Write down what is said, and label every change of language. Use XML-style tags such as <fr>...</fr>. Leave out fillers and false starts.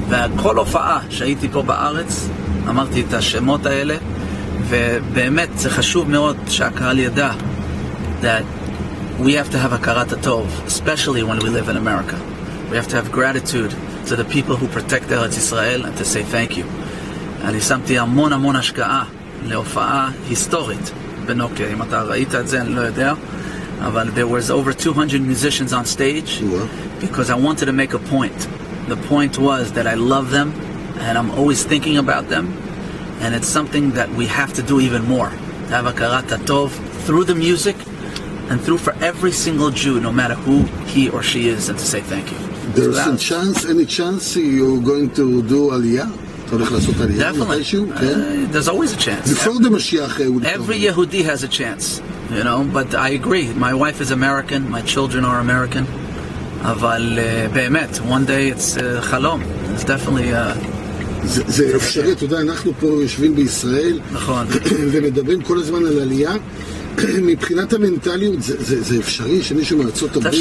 <he>וכל הופעה שהייתי פה בארץ אמרתי את השמות האלה, ובאמת זה חשוב מאוד שהקהל ידע</he> <en>that we have to have</en> <he>הכרת הטוב,</he> <en>especially when we live in America. We have to have gratitude to the people who protect ארץ ישראל and to say thank you.</en> <he>אני שמתי המון המון השקעה להופעה היסטורית בנוקיה. אם אתה ראית את זה, אני לא יודע. אבל</he> <en>there was over 200 musicians on stage because I wanted to make a point. The point was that I love them and I'm always thinking about them, and it's something that we have to do even more. Have הכרת הטוב through the music and through for every single Jew, no matter who he or she is, and to say thank you. There's a chance, any chance you're going to do Aliyah? Definitely. There's always a chance. Before the Mashiach, every Yehudi has a chance, you know, but I agree. My wife is American, my children are American.</en> <he>אבל באמת,</he> <en>one day it's חלום. It's definitely...</en> <he>זה אפשרי, אתה יודע, אנחנו פה יושבים בישראל. נכון. ומדברים כל הזמן על עלייה. מבחינת המנטליות, זה אפשרי שמישהו מארצות הברית...</he>